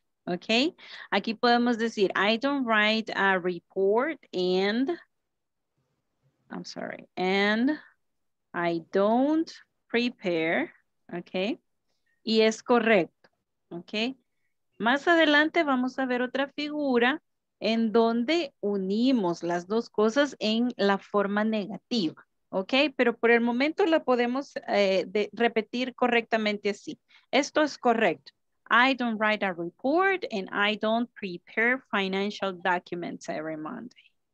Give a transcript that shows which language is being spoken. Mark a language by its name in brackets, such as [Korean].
[English] Ok, [Spanish] aquí podemos decir [English] I don't write a report and, I'm sorry, and I don't prepare. [Spanish] Ok, y es correcto. Ok, más adelante vamos a ver otra figura en donde unimos las dos cosas en la forma negativa. Ok, pero por el momento la podemos repetir correctamente así. Esto es correcto. [English] I don't write a report and I don't prepare financial documents every Monday.